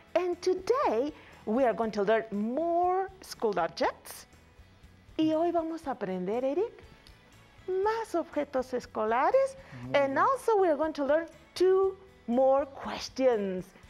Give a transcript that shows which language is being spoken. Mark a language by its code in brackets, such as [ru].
[en] And today we are going to learn more school objects. [es] Y hoy vamos a aprender, Eric, más objetos escolares. [en] And also we are going to learn two more questions.